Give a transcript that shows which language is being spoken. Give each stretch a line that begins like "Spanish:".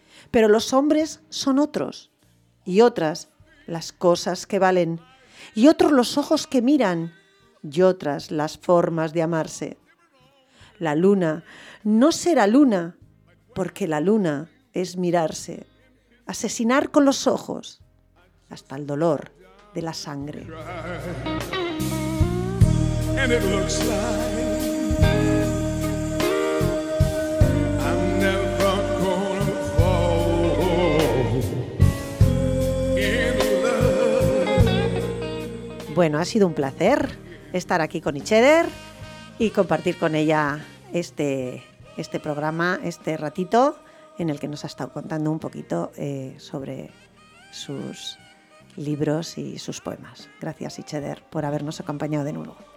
Spanish: Pero los hombres son otros, y otras las cosas que valen, y otros los ojos que miran, y otras las formas de amarse. La luna no será luna, porque la luna es mirarse, asesinar con los ojos, hasta el dolor de la sangre.
English: And it looks like I'm never gonna fall in love.
Spanish: Bueno, ha sido un placer estar aquí con Hitzeder y compartir con ella este programa, este ratito en el que nos ha estado contando un poquito sobre sus libros y sus poemas. Gracias, Hitzeder, por habernos acompañado de nuevo.